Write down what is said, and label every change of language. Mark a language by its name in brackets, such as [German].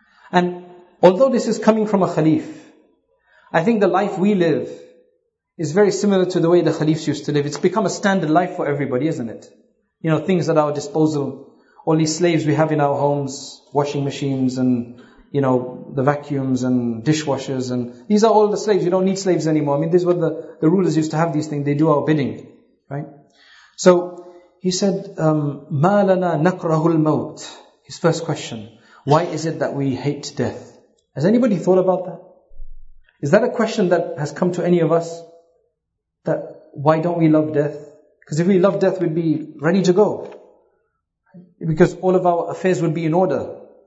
[English] And although this is coming from a Khalif, I think the life we live is very similar to the way the Khalifs used to live. It's become a standard life for everybody, isn't it? You know, things at our disposal, all these slaves we have in our homes, washing machines and, you know, the vacuums and dishwashers, and these are all the slaves. You don't need slaves anymore. I mean, this is what the rulers used to have, these things. They do our bidding, right? So he said, [Arabic] مَا لَنَا نَكْرَهُ الْمَوْتِ. [English] His first question, why is it that we hate death? Has anybody thought about that? Is that a question that has come to any of us? That why don't we love death? Because if we love death, we'd be ready to go. Because all of our affairs would be in order.